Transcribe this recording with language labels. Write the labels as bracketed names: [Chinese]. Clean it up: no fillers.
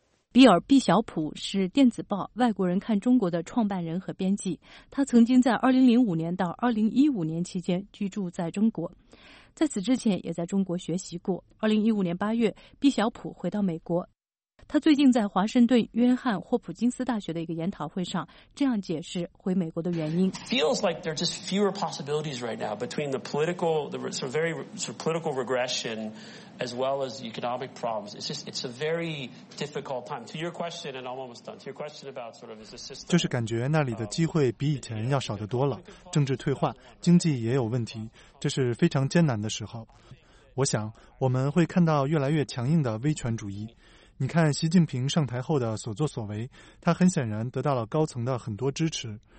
[Chinese] 比尔·毕晓普是电子报《外国人看中国》的创办人和编辑，他曾经在2005年到2015年期间居住在中国，在此之前也在中国学习过。 2015年8月，毕晓普回到美国。他最近在华盛顿约翰霍普金斯大学的一个研讨会上这样解释回美国的原因。 [English] Feels like there are just fewer possibilities right now between the political, the sort of very sort of political regression as well as economic problems. It's just, it's a very difficult time. To your question, and I'm almost done. To your question about sort of, is the system. [Chinese] 就是感觉那里的机会比以前要少得多了，政治退化，经济也有问题，这是非常艰难的时候。我想我们会看到越来越强硬的威权主义。你看习近平上台后的所作所为，他很显然得到了高层的很多支持。